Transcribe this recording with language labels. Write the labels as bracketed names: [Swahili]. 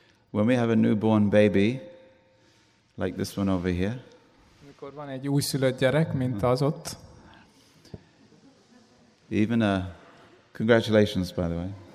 [English] When we have a newborn baby, like this one over here. [Hungarian] Amikor van egy újszülött gyerek, mint az ott. [English] Even a congratulations, by the way.